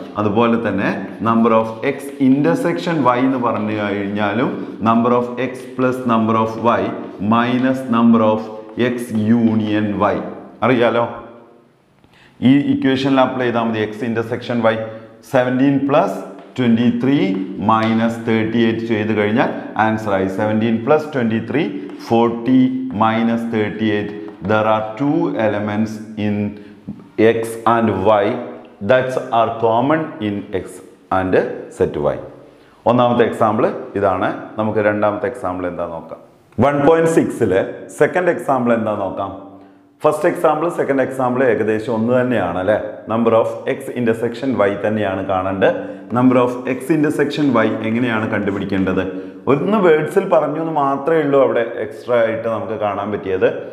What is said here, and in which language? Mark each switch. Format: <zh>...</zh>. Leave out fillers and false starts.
<ml>അതുപോലെ തന്നെ number of X intersection Y എന്ന് പറഞ്ഞു കഴിഞ്ഞാലും number of X plus number of Y minus number of X union Y. അറിയാലോ ഈ ഇക്വേഷനിൽ അപ്ലൈ ചെയ്താൽ മതി. X intersection Y 17 plus 23 minus 38 ചെയ്ത് കഴിഞ്ഞാൽ ആൻസറായി 17 plus 23 40 minus 38.</ml> <en>There are two elements in X and Y that's are common in X and set Y.</en> <ml>ഒന്നാമത്തെ example ഇതാണ്. നമുക്ക് രണ്ടാമത്തെ എക്സാമ്പിൾ എന്താ നോക്കാം. 1.6 സെക്കൻഡ് എക്സാമ്പിൾ എന്താ നോക്കാം. ഫസ്റ്റ് എക്സാമ്പിൾ സെക്കൻഡ് എക്സാമ്പിൾ ഏകദേശം ഒന്ന് തന്നെയാണ് അല്ലേ. Number of X intersection Y തന്നെയാണ് കാണേണ്ടത്. Number of X intersection Y എങ്ങനെയാണ് കണ്ടുപിടിക്കേണ്ടത്? ഒന്ന് വേർഡ്സിൽ പറഞ്ഞു എന്ന് മാത്രമേ ഉള്ളൂ അവിടെ എക്സ്ട്രാ ആയിട്ട് നമുക്ക് കാണാൻ പറ്റിയത്.</ml>